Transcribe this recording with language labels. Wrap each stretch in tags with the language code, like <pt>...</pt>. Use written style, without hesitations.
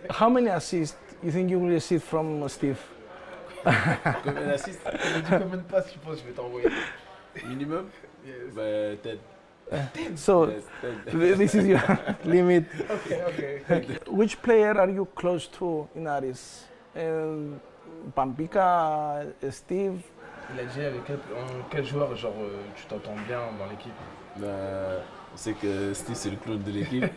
<en>How many assists you think you will receive from Steve?</en> <fr>Combien d'assists? Il a dit combien de passes tu penses je vais t'envoyer. Minimum?</fr> <en>Yes. But 10. So, yes, 10. This is your limit. Okay, okay. Which player are you close to in Aris? Pampika, Steve?</en> <fr>Il a dit avec quel joueur genre, tu t'entends bien dans l'équipe? On sait que Steve c'est le clown de l'équipe.</fr>